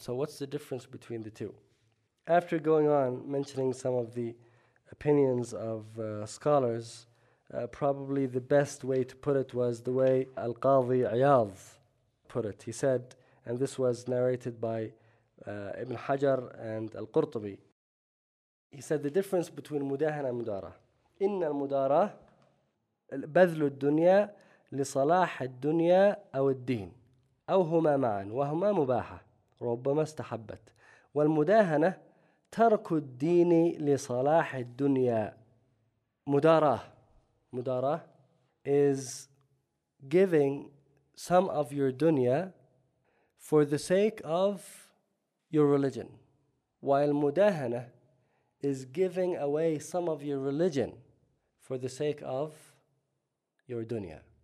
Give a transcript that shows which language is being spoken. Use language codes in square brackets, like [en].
[en] So what's the difference between the two? After going on, mentioning some of the opinions of scholars, probably the best way to put it was the way Al-Qadhi Iyadh put it. He said, and this was narrated by Ibn Hajar and Al-Qurtubi, he said the difference between mudahana and mudara. [ar] Inna al-mudara al-badhlu al-dunya لصلاح الدنيا أو الدين أو هما معا وهما مباحة ربما استحبت والمداهنة ترك الدين لصلاح الدنيا مدارة. [en] مدارة is giving some of your dunya for the sake of your religion, while مداهنة is giving away some of your religion for the sake of your dunya.